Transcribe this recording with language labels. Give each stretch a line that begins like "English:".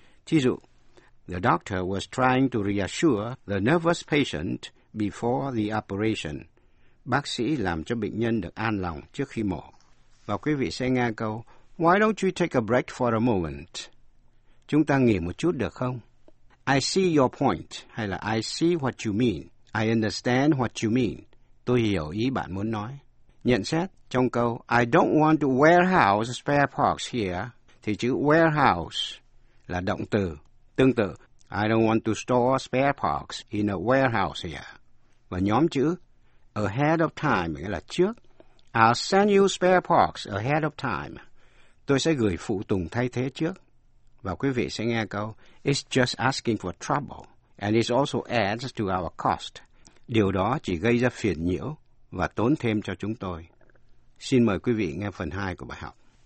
Vietnamese: Thí dụ,
English: the doctor was trying to reassure the nervous patient before the operation.
Vietnamese: Bác sĩ làm cho bệnh nhân được an lòng trước khi mổ. Và quý vị sẽ nghe câu,
English: why don't you take a break for a moment?
Vietnamese: Chúng ta nghỉ một chút được không?
English: I see your point, hay là I see what you mean. I understand what you mean.
Vietnamese: Tôi hiểu ý bạn muốn nói. Nhận xét trong câu,
English: I don't want to warehouse spare parts here,
Vietnamese: thì chữ warehouse là động từ. Tương tự,
English: I don't want to store spare parts in a warehouse here.
Vietnamese: Và nhóm chữ,
English: ahead of time,
Vietnamese: nghĩa là trước.
English: I'll send you spare parts ahead of time.
Vietnamese: Tôi sẽ gửi phụ tùng thay thế trước. Và quý vị sẽ nghe câu,
English: it's just asking for trouble, and it also adds to our cost.
Vietnamese: Điều đó chỉ gây ra phiền nhiễu và tốn thêm cho chúng tôi. Xin mời quý vị nghe phần 2 của bài học.